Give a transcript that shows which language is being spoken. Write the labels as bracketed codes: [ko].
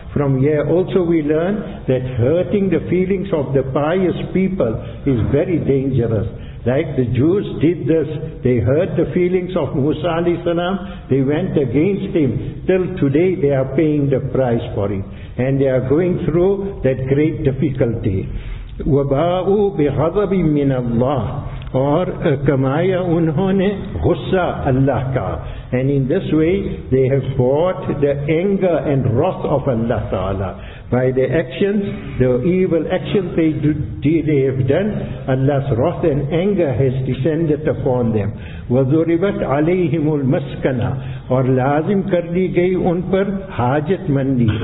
[en] From here also we learn that hurting the feelings of the pious people is very dangerous. Like the Jews did this, they hurt the feelings of Musa alayhi salam, they went against him. Till today they are paying the price for it. And they are going through that great difficulty. [ar] وَبَاءُوا بِغَضَبٍ مِّنَ اللَّهِ [ur] اور کمائے انہونے غصہ اللہ کا. [en] And in this way they have bought the anger and wrath of Allah Ta'ala. By the actions, the evil actions they have done, Allah's wrath and anger has descended upon them. [ar] وَذُرِبَتْ عَلَيْهِمُ الْمَسْكَنَةِ [ur] اور لازم کر لی گئی ان پر حاجت مندی.